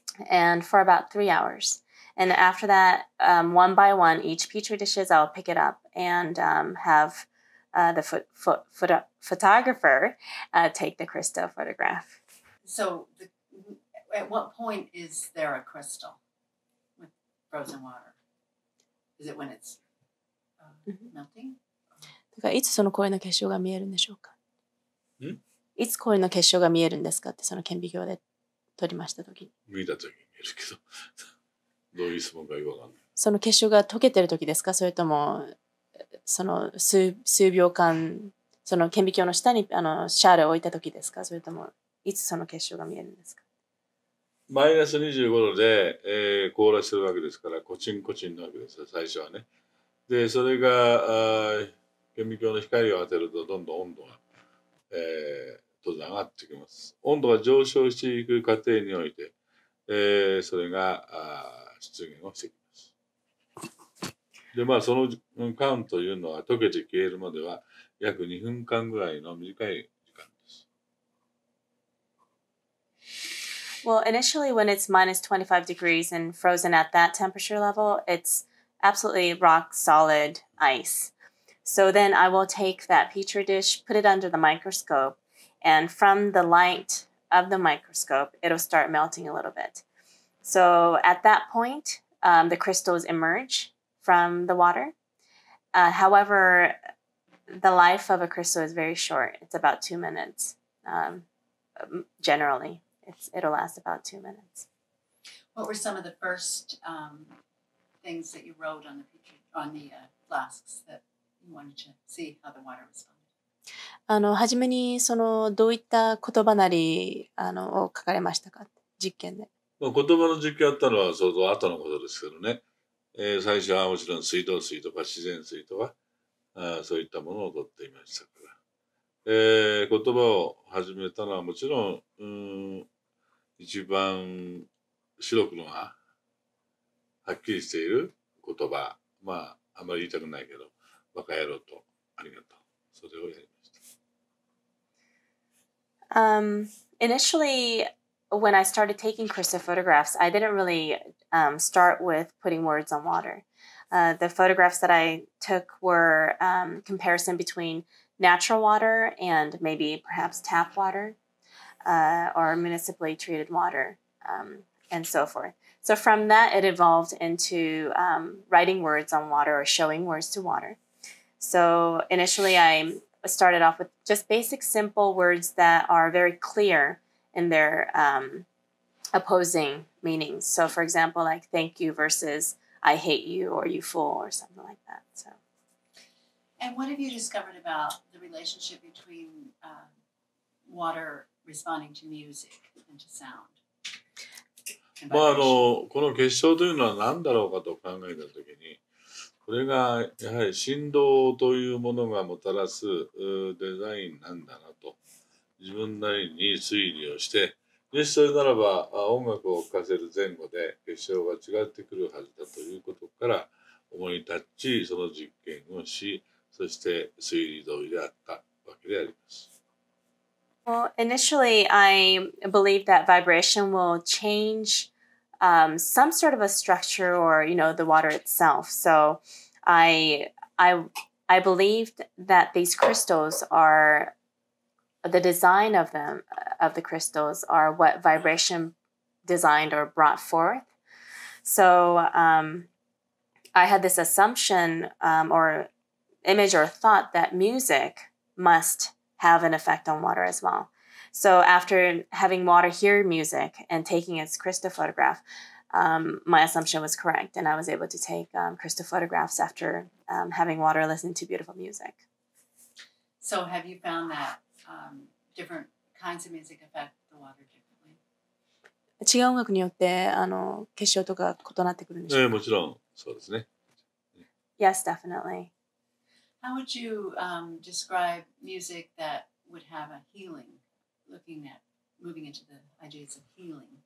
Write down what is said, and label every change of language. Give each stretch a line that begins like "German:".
English: And for about 3 hours. And after that, one by one, each petri dishes, I'll pick it up and have the photographer take the crystal photograph. So, at what point is there a crystal with frozen water? Is it when it's melting?
Japanese: だからいつその氷の結晶が見えるんでしょうか？いつ氷の結晶が見えるんですかってその顕微鏡で。見たときに見えるけど、どういう質問かよくわかんない。その結晶が溶けてる時ですか、それともその 数秒間その顕微鏡の下にあのシャーレを置いた時ですか、それともいつその結晶が見えるんですか。マイナス25度で、凍らせるわけですからコチンコチンなわけですよ最初はね。でそれが顕微鏡の光を当てるとどんどん温度が、当然上がってきます。温度が上昇していく過程において、それが出現をしてきます。でまあその間というのは溶けて消えるまでは約2分間ぐらいの短い。
English: Well, initially when it's minus 25 degrees and frozen at that temperature level, it's absolutely rock solid ice. So then I will take that petri dish, put it under the microscope, and from the light of the microscope, it'll start melting a little bit. So at that point, the crystals emerge from the water. However, the life of a crystal is very short. It's about 2 minutes, generally. It'll last about 2 minutes. What were some of the first things that you wrote on the flasks that you wanted to see how the water responded?
Japanese: あの、初めにそのどういった言葉なりあのを書かれましたか、実験で。言葉の実験あったのは相当後のことですけどね。最初はもちろん水道水とか自然水とかそういったものを取っていましたから。言葉を始めたのはもちろん、一番白くのがはっきりしている言葉、まああまり言いたくないけど、バカ野郎とありがとう、それをやりました。
English: Initially, when I started taking crystal photographs, I didn't really start with putting words on water. The photographs that I took were comparison between natural water and maybe perhaps tap water. Or municipally treated water, and so forth. So from that, it evolved into writing words on water or showing words to water. So initially, I started off with just basic, simple words that are very clear in their opposing meanings. So for example, like thank you versus I hate you or you fool or something like that. So. And what have you discovered about the relationship between water responding to music and to sound?
Japanese: まあ、あの、この結晶というのは何だろうかと考えたときに、これがやはり振動というものがもたらすデザインなんだなと、自分なりに推理をして、でそれならば音楽を聴かせる前後で結晶が違ってくるはずだということから思い立ち、その実験をし、そして推理通りであったわけであります。
English: Well, initially, I believed that vibration will change some sort of a structure or, you know, the water itself. So I believed that these crystals are, the design of them, of the crystals, are what vibration designed or brought forth. So I had this assumption or image or thought that music must have an effect on water as well. So after having water hear music and taking its crystal photograph, my assumption was correct, and I was able to take crystal photographs after having water listen to beautiful music. So have you found that different kinds of music affect the water differently?
Japanese: 違う音楽によってあの結晶とか異なってくるんでしょうか？もちろんそうですね。
English: Yes, definitely. How would you describe music that would have a healing, looking at moving into the ideas of healing?